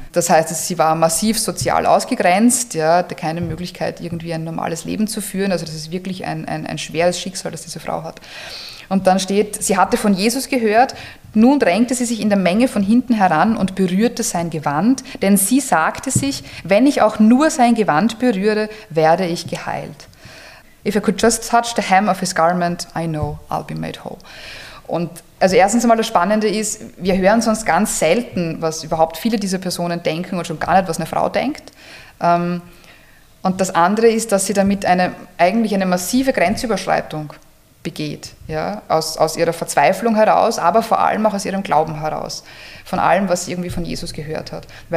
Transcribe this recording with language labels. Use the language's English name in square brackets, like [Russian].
[German] Das heißt, sie war massiv sozial ausgegrenzt, ja, hatte keine Möglichkeit, irgendwie ein normales Leben zu führen. Also das ist wirklich ein schweres Schicksal, das diese Frau hat. Und dann steht, sie hatte von Jesus gehört, nun drängte sie sich in der Menge von hinten heran und berührte sein Gewand, denn sie sagte sich, wenn ich auch nur sein Gewand berühre, werde ich geheilt. [English] If I could just touch the hem of his garment, I know I'll be made whole. [German] Und also erstens einmal das Spannende ist, wir hören sonst ganz selten, was überhaupt viele dieser Personen denken und schon gar nicht, was eine Frau denkt. Und das andere ist, dass sie damit eigentlich eine massive Grenzüberschreitung begeht, ja, aus ihrer Verzweiflung heraus, aber vor allem auch aus ihrem Glauben heraus, von allem, was sie irgendwie von Jesus gehört hat.